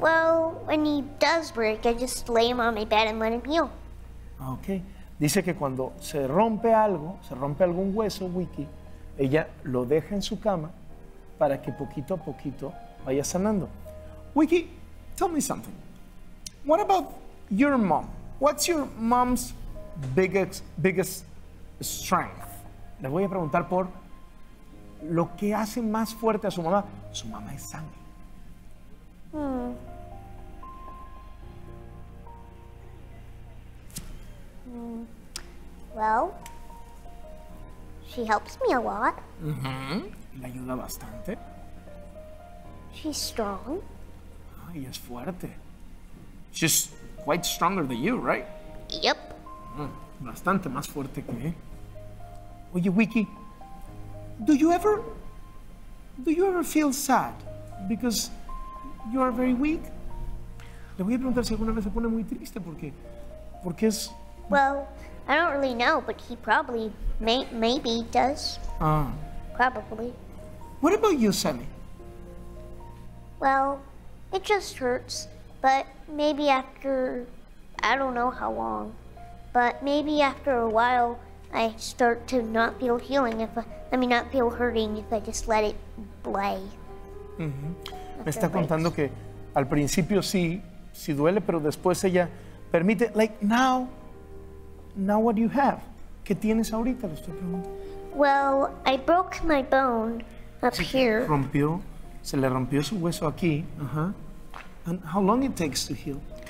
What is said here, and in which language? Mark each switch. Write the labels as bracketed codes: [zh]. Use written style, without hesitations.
[en] Well, when he does break, I just lay him on my bed and let him heal. Okay. [es] Dice que cuando se rompe algún hueso, Wiki, ella lo deja en su cama para que poquito a poquito vaya sanando. [en] Wiki, tell me something. What about your mom? What's your mom's biggest strength? [es] Le voy a preguntar por lo que hace más fuerte a su mamá. Su mamá es Sammy. [en] Well, she helps me a lot. [es] Mm-hmm. Le ayuda bastante. [en] She's strong. [es] Ay, es fuerte. [en] She's quite stronger than you, right? Yep. [es] Bastante más fuerte que... Oye, [en] Wiki, do you ever feel sad because you are very weak? [es] Le voy a preguntar si alguna vez se pone muy triste porque es... [en] Well, I don't really know, but he probably, maybe does. Probably. What about you, Sammy? Well, it just hurts, but maybe after, I don't know how long, but maybe after a while, I start to not feel healing if I, I mean, not feel hurting if I just let it lay. Mm-hmm. [es] Me está contando que al principio sí, sí duele, pero después ella permite, [en] like now... Now what do you have? [es] ¿Qué tienes ahorita? Le estoy preguntando. [en] Well, I broke my bone up here. [es] Se le rompió su hueso aquí. [en] Uh-huh. And how long it takes to heal?